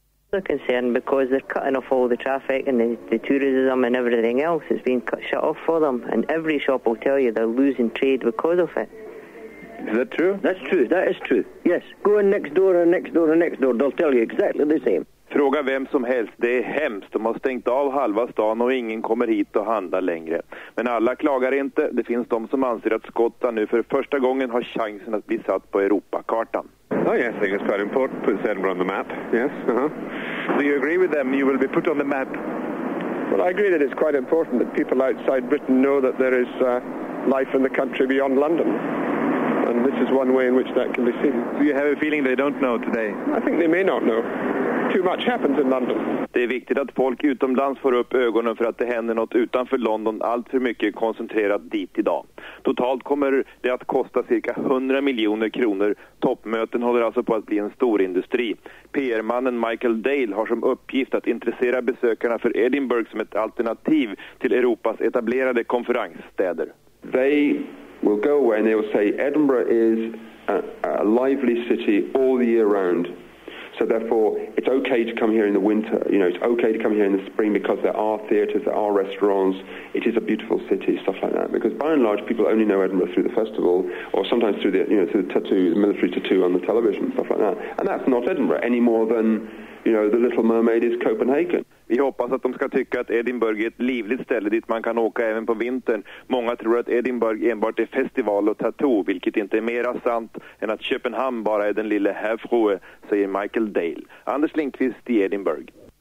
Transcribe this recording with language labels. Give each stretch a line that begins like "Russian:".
English: a concern because they're cutting off all the traffic and the tourism and everything else. It's being cut shut off for them, and every shop will tell you they're losing trade because of it. Is that true? That's true. That is true. Yes. Go in next door and next door and next door. They'll tell you exactly the same.
Swedish: Fråga vem som helst. Det är hemskt. De har stängt av halva stan och ingen kommer hit och handlar längre. Men alla klagar inte. Det finns de som anser att Skottland nu för första gången har chansen att bli satt på Europakartan.
English: Oh yes, I think it's quite important. Put Edinburgh on the map. Yes. Do you agree with them? You will be put on the map. Well, I agree that it's quite important that people outside Britain know that there is life in the country beyond London. And this is one way in which that can be seen. Do you have a feeling they don't know today? I think they may not know. Too much happens in London.
Swedish: Det är viktigt att folk utomlands får upp ögonen för att det händer något utanför London allt för mycket koncentrerat dit idag. Totalt kommer det att kosta cirka 100 miljoner kronor. Toppmöten håller alltså på att bli en stor industri. PR-mannen Michael Dale har som uppgift att intressera besökarna för Edinburgh som ett alternativ till Europas etablerade konferensstäder.
English: They will go away and they will say Edinburgh is a lively city all the year round. So therefore, it's okay to come here in the winter. You know, it's okay to come here in the spring because there are theatres, there are restaurants. It is a beautiful city, stuff like that. Because by and large, people only know Edinburgh through the festival or sometimes through the, you know, through the tattoo, the military tattoo on the television, stuff like that. And that's not Edinburgh any more than, you know, the Little Mermaid is Copenhagen.
Swedish: Vi hoppas att de ska tycka att Edinburgh är ett livligt ställe dit man kan åka även på vintern. Många tror att Edinburgh enbart är festival och tattoo, vilket inte är mera sant än att Köpenhamn bara är den lilla herrfrue, säger Michael Dale. Anders Lindqvist i Edinburgh.